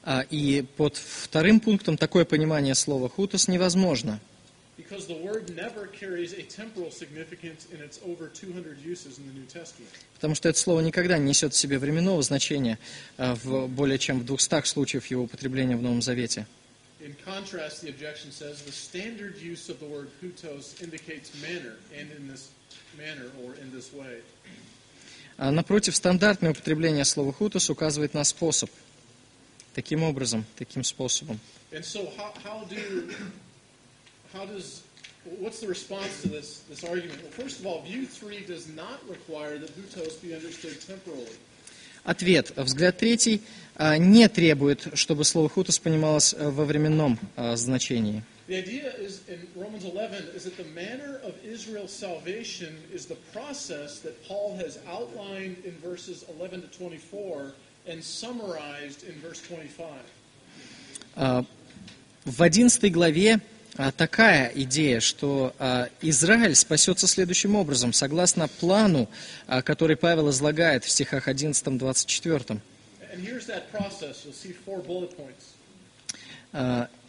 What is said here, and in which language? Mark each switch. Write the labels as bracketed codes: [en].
[ru] И под вторым пунктом такое понимание слова «houtos» невозможно. [en] Because the word never carries a temporal significance in its over 200 uses in the New Testament. [ru] Потому что это слово никогда не несет в себе временного значения в более чем в 200 случаях его употребления в Новом Завете. [en] In contrast, the objection says the standard use of the word houtos indicates manner, and in this manner or in this way. [ru] А напротив, стандартное употребление слова houtos указывает на способ. Таким образом, таким способом. [en] And so what's the response to this argument? Well, first of all, view 3 does not require that houtos be understood temporally. [ru] Ответ. Взгляд третий не требует, чтобы слово houtos понималось во временном значении. [en] The idea is in Romans 11 is that the manner of Israel's salvation is the process that Paul has outlined in verses 11 to 24 and summarized in verse 25. [ru] В 11 главе такая идея, что Израиль спасется следующим образом, согласно плану, который Павел излагает в стихах 11-24.